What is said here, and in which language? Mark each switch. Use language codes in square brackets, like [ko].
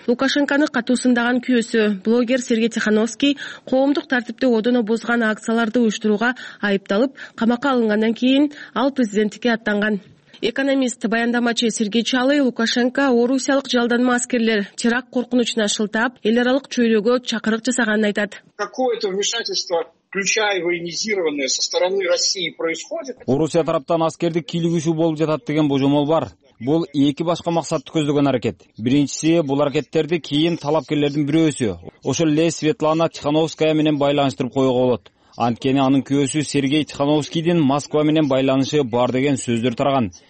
[ky] Лукашенканы катуусундаган күйөөсү блогер Сергей Тихановский коомдук тартипти одоно бузган акцияларды уюштурууга айыпталып камакка алынгандан кийин ал президенттикке аттанган. Экономист баяндамачы Сергей Чалый Лукашенко орусиялык жалданма аскерлер теракт коркунучуна шылтап, эл аралык чөйрөгө чакырык жасаганын айтат. [ru] Какое-то вмешательство, включая военизированное со стороны России происходит. [ky] Орусия тараптан аскердик кийлигүүсү болуп жатат деген божомол бар. Бул эки башка максатты көздөгөн аракет. Биринчиси, бул аракеттерди кийин талапкерлердин бирөөсү, ошол эле Светлана Тихановская менен байланыштырып койго болот. Анткени анын күйөөсү Сергей Тихановскийдин Москва менен байланышы бар деген сөздөр тараган.